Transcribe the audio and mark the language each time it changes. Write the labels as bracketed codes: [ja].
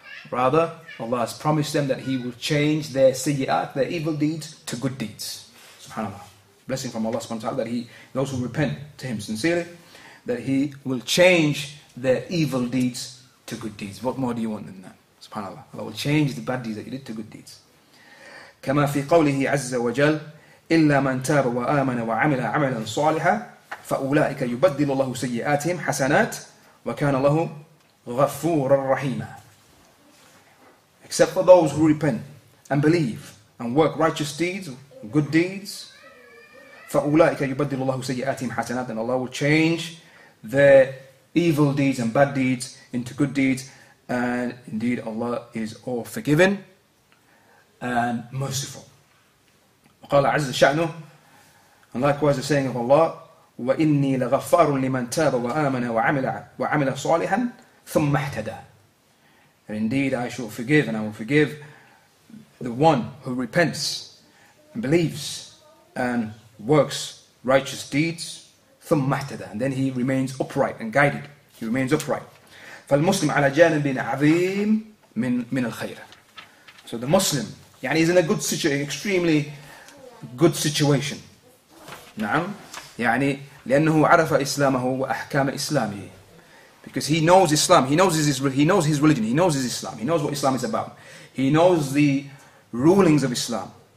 [en] Rather, Allah has promised them that He will change their siyyat, their evil deeds, to good deeds. SubhanAllah. Blessing from Allah subhanahu wa ta'ala, that those who repent to Him sincerely, that He will change their evil deeds to good deeds. What more do you want than that? SubhanAllah. Allah will change the bad deeds that you did to good deeds. [ar] كما في قوله عز وجل إلا من تاب وآمن وعمل عملا صالحا فأولئك يبدل الله سيئاتهم حسنات وكان الله غفورا رحيما. [en] Except for those who repent and believe and work righteous deeds, good deeds, [ar] فَأُولَٰئِكَ يُبَدِّلُ اللَّهُ سَيِّئَاتِهِمْ حَسَنَاتٍ, [en] then Allah will change their evil deeds and bad deeds into good deeds, and indeed Allah is all forgiven and merciful. [ar] وَقَالَ عَزَّ شَأْنُهُ, [en] and likewise the saying of Allah, [ar] وَإِنِّي لَغَفَّارٌ لِمَنْ تَابَ وَآمَنَ وَعَمِلَ صَالِحًا ثُمَّ اهْتَدَى. [en] And indeed I shall forgive, and I will forgive the one who repents and believes and works righteous deeds, [ar] ثُمَّ اهْتَدَى, [en] and then he remains upright and guided. He remains upright. [ar] فَالْمُسْلِمْ عَلَى جَانِبٍ عَظِيمٍ مِنَ الْخَيْرَ. [en] So the Muslim, is in a good situation, extremely good situation. [ar] نعم. لأنه عرف إسلامه وأحكام إسلامه. [en] Because he knows Islam, he knows his religion, he knows his Islam, he knows what Islam is about, he knows the rulings of Islam.